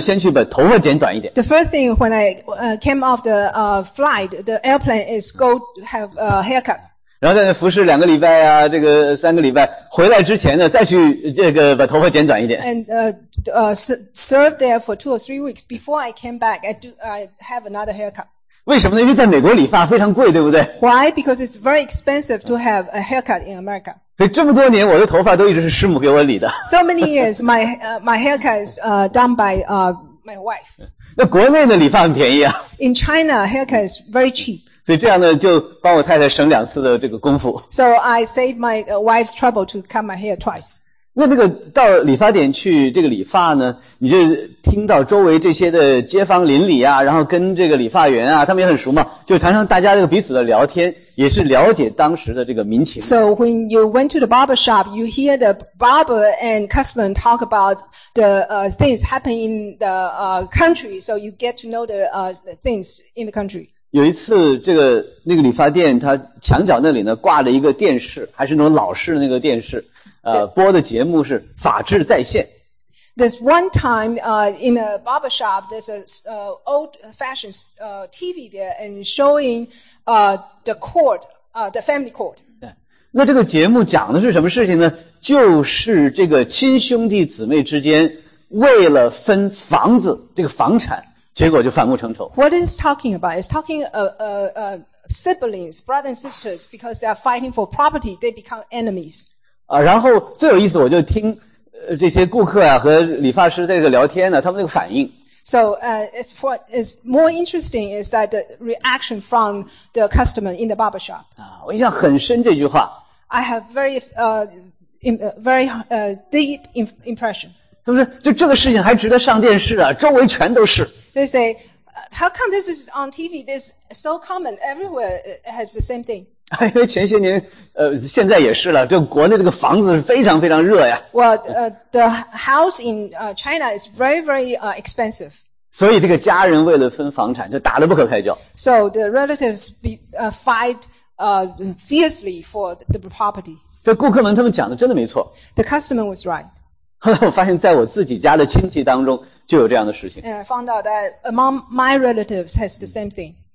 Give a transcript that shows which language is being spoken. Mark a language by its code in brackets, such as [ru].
[zh] 先去把头发剪短一点。 [en] The first thing when I came off the flight, the airplane is go have a haircut. [zh] 然后在那服侍两个礼拜啊，这个三个礼拜，回来之前呢，再去这个把头发剪短一点。 [en] And serve there for two or three weeks before I came back. I have another haircut. [zh] 为什么呢？因为在美国理发非常贵，对不对 [en] ？Why? Because it's very expensive to have a haircut in America. [zh] 所以这么多年我的头发都一直是师母给我理的。 [en] So many years, my haircut is done by my wife. [zh] 那国内的理发很便宜啊。 [en] In China, haircut is very cheap. [zh] 所以这样呢就帮我太太省两次的这个功夫。 [en] So I save my wife's trouble to cut my hair twice. [zh] 那个到理发店去这个理发呢，你就听到周围这些的街坊邻里啊，然后跟这个理发员啊，他们也很熟嘛，就常常大家这个彼此的聊天，也是了解当时的这个民情。 [en] So when you went to the barber shop, you hear the barber and customer talk about the things happening in the country, so you get to know the things in the country. [zh] 有一次，那个理发店，它墙角那里呢挂着一个电视，还是那种老式的那个电视，播的节目是《法治在线》。 [en] There's one time, in a barber shop, there's a old-fashioned TV there and showing the court, the family court. [zh] 那这个节目讲的是什么事情呢？就是这个亲兄弟姊妹之间为了分房子这个房产，结果就反目成仇。 [en] What is talking about? It's talking siblings, brothers and sisters, because they are fighting for property, they become enemies. [zh] 然后最有意思，我就听这些顾客啊和理发师在这个聊天呢，他们那个反应。 [en] So, it's more interesting is that the reaction from the customer in the barber shop. [zh] 我印象很深这句话。 [en] I have very deep impression. [zh] 他们说，就这个事情还值得上电视啊？周围全都是。 [en] They say, how come this is on TV? This is so common. Everywhere has the same thing. [zh] 因为前些年，现在也是了。就国内这个房子是非常非常热呀。 [en] Well, the house in China is very, very expensive. [zh] 所以这个家人为了分房产就打得不可开交。 [en] So the relatives fight fiercely for the property. [zh] 这顾客们他们讲的真的没错。 [en] The customer was right. [zh] 后来我发现，在我自己家的亲戚当中就有这样的事情。 [en] And I found out that among my relatives has the same thing.